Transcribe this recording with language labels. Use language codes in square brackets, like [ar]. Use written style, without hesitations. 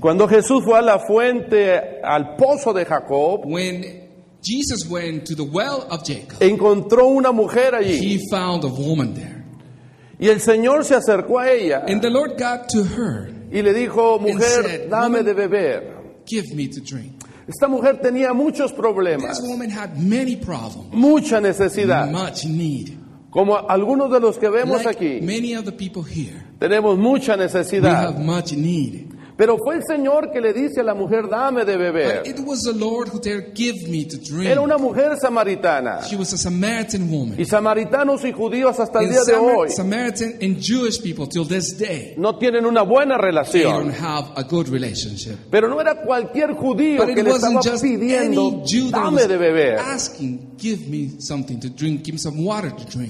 [es] Cuando Jesús fue a la fuente, al pozo de Jacob, [en] when Jesus went to the well of Jacob, [es] encontró una mujer allí. [en] He found a woman there. [es] Y el Señor se acercó a ella. [en] And the Lord got to her. [es] Y le dijo, mujer, [en] said, [es] dame de beber. [en] Give me to drink. [es] Esta mujer tenía muchos problemas. [en] This woman had many problems. [es] Mucha necesidad. [en] Much need. [es] Como algunos de los que vemos [en] like [es] aquí. [en] Many of the people here. [es] Tenemos mucha necesidad. [en] We have much need. [es] Pero fue el Señor que le dice a la mujer, dame de beber. [en] But it was the Lord who dared give me to drink. [es] Era una mujer samaritana. [en] She was a Samaritan woman. [es] Y samaritanos y judíos hasta el día de hoy. [en] Samaritan and Jewish people till this day. [es] No tienen una buena relación. [en] They don't have a good relationship. [es] Pero no era cualquier judío [en] but [es] que le estaba pidiendo, dame de beber. [en] Asking, give me something to drink, give me some water to drink.